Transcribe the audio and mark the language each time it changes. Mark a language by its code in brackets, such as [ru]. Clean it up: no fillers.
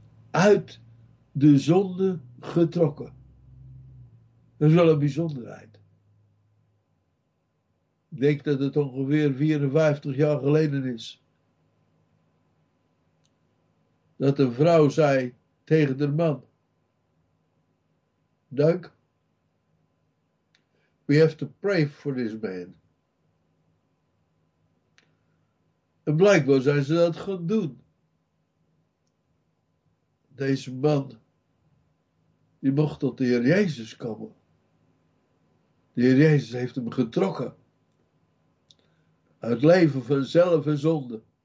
[nl] Uit de zonde getrokken. Dat is wel een bijzonderheid. Ik denk dat het ongeveer 54 jaar geleden is. Dat een vrouw zei tegen de man. [en] Doug, we have to pray for this man. [nl] En blijkbaar zijn ze dat gaan doen. Deze man, die mocht tot de Heer Jezus komen. De Heer Jezus heeft hem getrokken. Uit leven van zelf en zonde.